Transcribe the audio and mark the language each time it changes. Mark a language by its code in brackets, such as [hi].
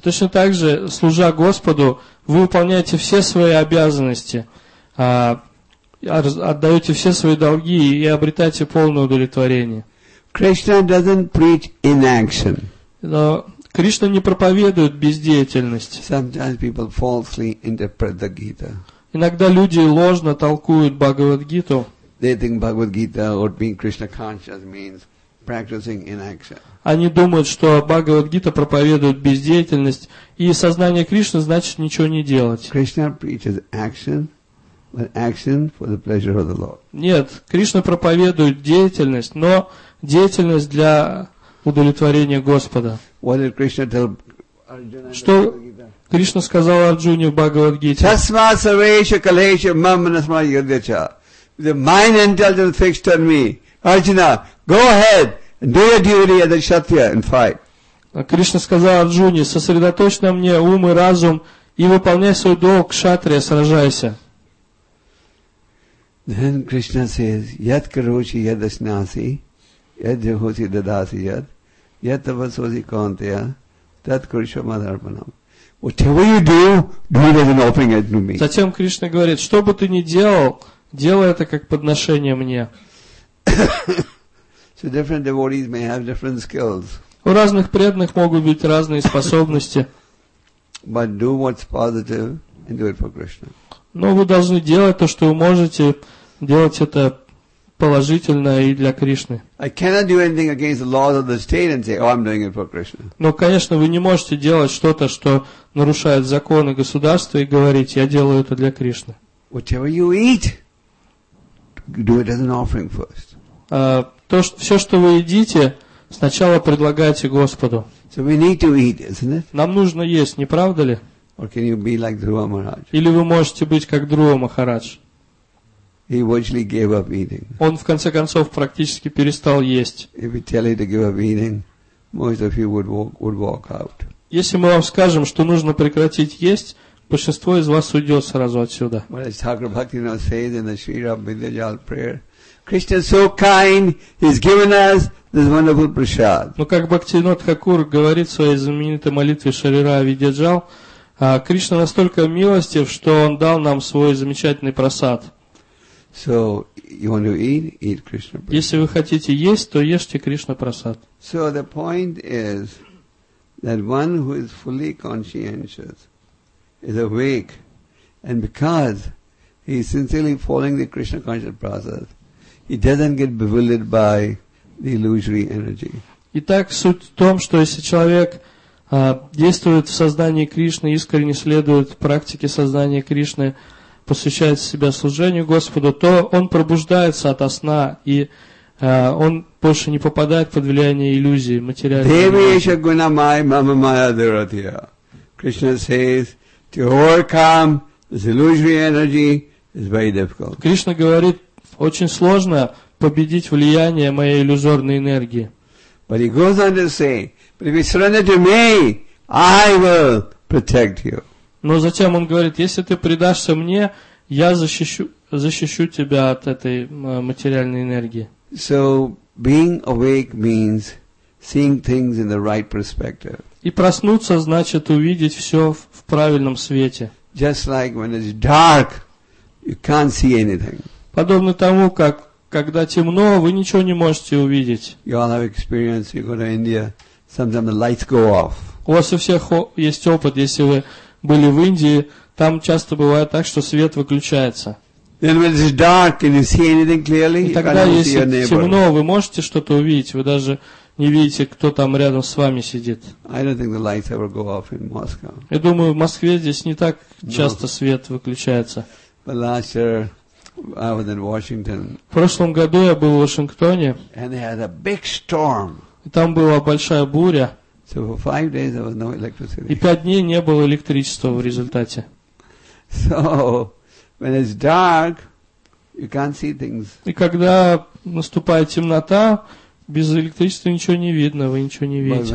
[ru] Точно так же, служа Господу, вы выполняете все свои обязанности, отдаете все свои долги и обретаете полное удовлетворение. [en] Krishna doesn't preach inaction. [ru] Но Кришна не проповедует бездеятельность. [en] Sometimes people falsely interpret the Gita. [ru] Иногда люди ложно толкуют Бхагавад-гиту. [en] They think Bhagavad-гита or being Krishna conscious means practicing inaction. [ru] Они думают, что Бхагавад-гита проповедует бездеятельность, и сознание Кришны значит ничего не делать. [en] Krishna preaches action, but action for the pleasure of the Lord. [ru] Нет, Кришна проповедует деятельность, но деятельность для удовлетворения Господа. [en] What did Krishna tell Arjuna? [ru] Что Кришна сказал Арджуне в Бхагавад-гите? [sa] Tasma sarvesha kalesha mam manasma yudhyacha. [en] The mind intelligence fixed on me. Arjuna, go ahead and do your duty as a kshatriya and fight. [ru] Кришна сказал Арджуне, сосредоточь на мне ум и разум и выполняй свой долг, кшатрия, сражайся. [en] Then Krishna says, [sa] yat karochi yad asnasi, yad jahosi dadasi yad, yat avasosi kaunteya, tat kurisho madharpanam. [en] Whatever you do, do it as an offering unto me. [ru] Затем Кришна говорит, что бы ты ни делал, делай это как подношение мне. [en] So different devotees may have different skills. [ru] У разных преданных могут быть разные способности. [en] But do what's positive and do it for Krishna. [ru] Но вы должны делать то, что вы можете, делать это положительно и для Кришны. [en] I cannot do anything against the laws of the state and say, oh, I'm doing it for Krishna. [ru] Но, конечно, вы не можете делать что-то, что нарушает законы государства и говорить, я делаю это для Кришны. [en] Whatever you eat, do it as an offering first. [ru] То, что, все, что вы едите, сначала предлагайте Господу. [en] So we need to eat, isn't it? [ru] Нам нужно есть, не правда ли? [en] Or can you be like Dhruva Maharaj? [ru] Или вы можете быть как Друва Махарадж? [en] He virtually gave up eating. [ru] Он в конце концов практически перестал есть. [en] If we tell you to give up eating, most of you would walk out. [ru] Если мы вам скажем, что нужно прекратить есть, большинство из вас уйдет сразу отсюда. [en] What does Thakur Bhakti now say in the Sri Ram Vidyajal prayer? Krishna is so kind, he's given us this wonderful prasad. [ru] Но как Бхактивинод Хакур говорит в своей знаменитой молитве Шарира Видяджал, Кришна настолько милостив, что он дал нам свой замечательный прасад. [en] So, you want to eat, eat Krishna prasad. [ru] Если вы хотите есть, то ешьте Кришна прасад. [en] So, the point is that one who is fully conscientious is awake, and because he is sincerely following the Krishna conscious process, he doesn't get bewildered by the illusory energy. [ru] Итак, суть в том, что если человек действует в сознании Кришны, искренне следует практике сознания Кришны, посвящает себя служению Господу, то он пробуждается ото сна, и он больше не попадает под влияние иллюзии, материальной. [en] Krishna says, to overcome this illusory energy, It's very difficult. [ru] Кришна говорит, очень сложно победить влияние моей иллюзорной энергии. [en] But he goes on to say, but if you surrender to me, I will protect you. [ru] Но затем он говорит, если ты предашься мне, я защищу тебя от этой материальной энергии. [en] So being awake means seeing things in the right perspective. [ru] И проснуться значит увидеть все в правильном свете. [en] Just like when it's dark, you can't see anything. [ru] Подобно тому, как когда темно, вы ничего не можете увидеть. [en] You all have experience. You go to India, sometimes the lights go off. [ru] У вас у всех есть опыт, если вы были в Индии, там часто бывает так, что свет выключается. [en] Then when it's dark, can you see anything clearly? [ru] И тогда, если темно, вы можете что-то увидеть, вы даже не видите, кто там рядом с вами сидит. [en] I don't think the lights ever go off in Moscow. [ru] Я думаю, в Москве здесь не так часто no. свет выключается. [en] But last year, I was in Washington. [ru] В прошлом году я был в Вашингтоне. [en] And they had a big storm. [ru] И там была большая буря. [en] So for 5 days there was no electricity. [ru] И 5 дней не было электричества в результате. [en] So when it's dark, you can't see things. [ru] И когда наступает темнота, без электричества ничего не видно, вы ничего не видите.